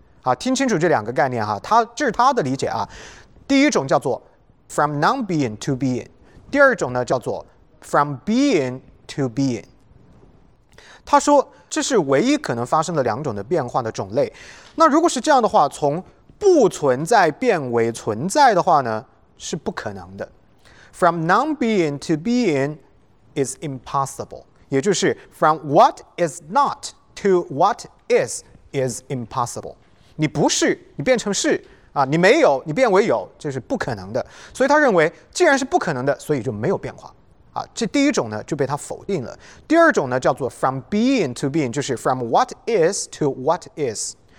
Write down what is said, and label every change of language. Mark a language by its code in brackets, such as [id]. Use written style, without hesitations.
[zh] 啊，听清楚这两个概念哈，他这是他的理解啊。第一种叫做 [en] from non-being to being， [zh] 第二种呢叫做 [en] from being to being。 [zh] 他说这是唯一可能发生的两种的变化的种类。那如果是这样的话，从不存在变为存在的话呢，是不可能的。 [en] From non-being to being is impossible， [zh] 也就是 [en] from what is not to what is impossible。 [zh] 你不是，你变成是啊，你没有，你变为有，这是不可能的。所以他认为，既然是不可能的，所以就没有变化。啊，这第一种呢就被他否定了。第二种呢叫做 [en] from being to being， [zh] 就是 [en] from what is to what is。